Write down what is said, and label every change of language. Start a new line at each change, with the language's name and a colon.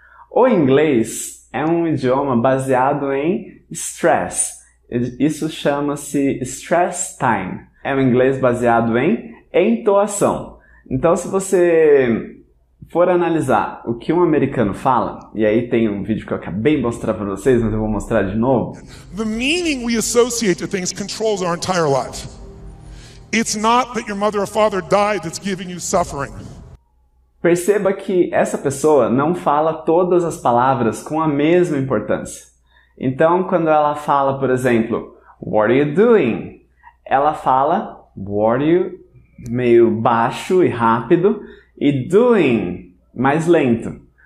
Portuguese: O inglês é um idioma baseado em stress. Isso chama-se stress time. É um inglês baseado em entoação. Então, se você for analisar o que um americano fala, e aí tem um vídeo que eu acabei de mostrar para vocês, mas eu vou mostrar de novo.
English: The meaning we associate to things controls our entire life. It's not that your mother or father died that's giving you suffering.
Portuguese: Perceba que essa pessoa não fala todas as palavras com a mesma importância. Então, quando ela fala, por exemplo,
English: what are you doing?
Portuguese: Ela fala
English: what are you
Portuguese: meio baixo e rápido. E doing, mais lento.